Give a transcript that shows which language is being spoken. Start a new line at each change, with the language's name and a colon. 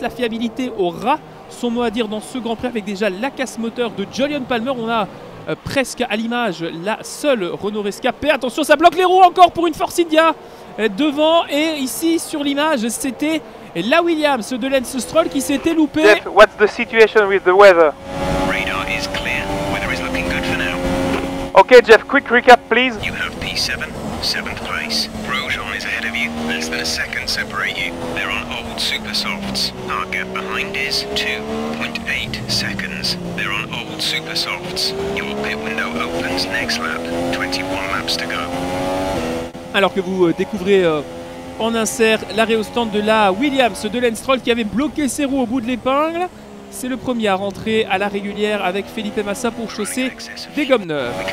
French: La fiabilité aura son mot à dire dans ce Grand Prix avec déjà la casse moteur de Julian Palmer. On a presque à l'image la seule Renault rescapée. Attention, ça bloque les roues encore pour une Force India devant. Et ici sur l'image, c'était la Williams de Lance Stroll qui s'était loupée.
English: Jeff, what's the situation with the weather? Radar is clear. Weather is looking good for now. Okay, Jeff, quick recap, please. You have P7. 7th place. Grosjean is ahead of you. Less than a second separate you. They're on old super softs. Our gap behind is 2.8 seconds. They're on old super softs. Your pit window opens next lap. 21 laps to go.
French: Alors que vous découvrez en insert l'arrêt au stand de la Williams de Lance Stroll qui avait bloqué ses roues au bout de l'épingle. c'est le premier à rentrer à la régulière avec Felipe Massa pour chausser des gommes neuves.